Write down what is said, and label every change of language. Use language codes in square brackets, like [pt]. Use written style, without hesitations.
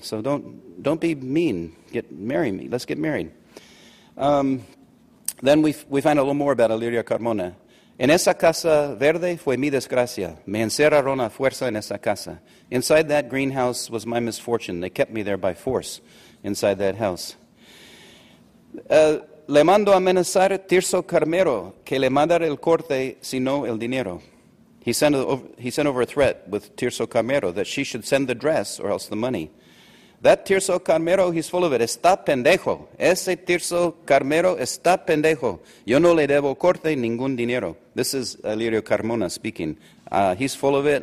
[en] So don't be mean, marry me, let's get married. Then we find a little more about Elyria Carmona. [es] En esa casa verde fue mi desgracia. Me encerraron a fuerza en esa casa. [en] Inside that greenhouse was my misfortune. They kept me there by force inside that house. [es] Le mando amenazar Tirso Carmero que le mandar el corte si no el dinero. [en] He sent over a threat with Tirso Carmero that she should send the dress or else the money. That Tirso Carmero, he's full of it. [es] Está pendejo. Ese Tirso Carmero está pendejo. Yo no le debo corte ningún dinero. [en] This is Elyria Carmona speaking. He's full of it.